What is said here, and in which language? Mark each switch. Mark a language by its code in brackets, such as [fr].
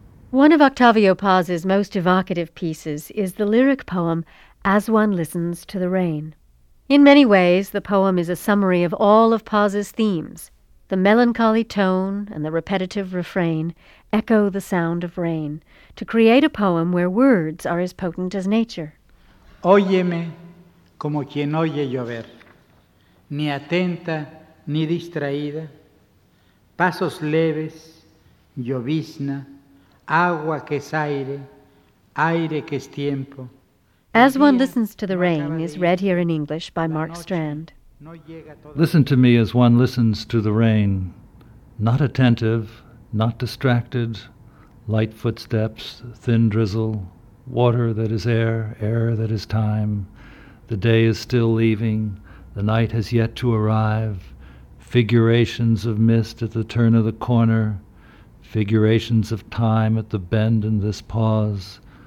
[en] One of Octavio Paz's most evocative pieces is the lyric poem, As One Listens to the Rain. In many ways, the poem is a summary of all of Paz's themes. The melancholy tone and the repetitive refrain echo the sound of rain to create a poem where words are as potent as nature. [es] Óyeme como quien oye llover, ni atenta ni distraída, pasos leves, llovizna, agua que es aire, aire que es tiempo. [en] As One Listens to the Rain is read here in English by Mark Strand. Listen to me as one listens to the rain, not attentive, not distracted, light footsteps, thin drizzle, water that is air, air that is time. The day is still leaving, the night has yet to arrive, figurations of mist at the turn of the corner, figurations of time at the bend in this pause.